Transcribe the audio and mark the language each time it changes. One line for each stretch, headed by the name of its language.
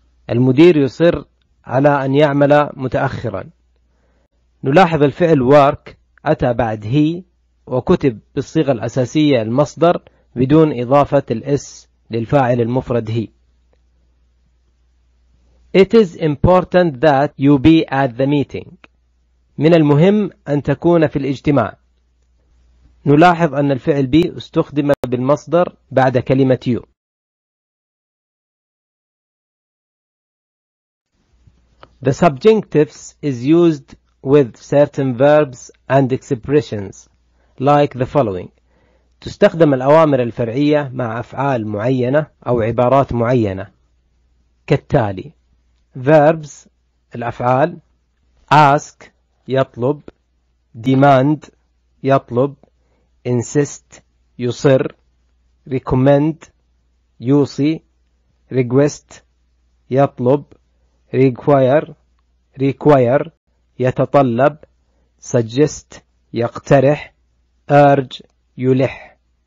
Arabic: المدير يصر على أن يعمل متأخرا. نلاحظ الفعل work أتى بعد he وكتب بالصيغة الأساسية المصدر بدون إضافة الاس للفاعل المفرد he.
English: It is important that you be at the meeting.
Arabic: من المهم أن تكون في الاجتماع. نلاحظ أن الفعل be استخدم بالمصدر بعد كلمة you.
English: The subjunctives is used with certain verbs and expressions like the following.
Arabic: تستخدم الأوامر الفرعية مع أفعال معينة أو عبارات معينة كالتالي: verbs الأفعال ask يطلب, demand يطلب, insist يصر, recommend يوصي, request يطلب, require يتطلب, suggest يقترح, urge يلح.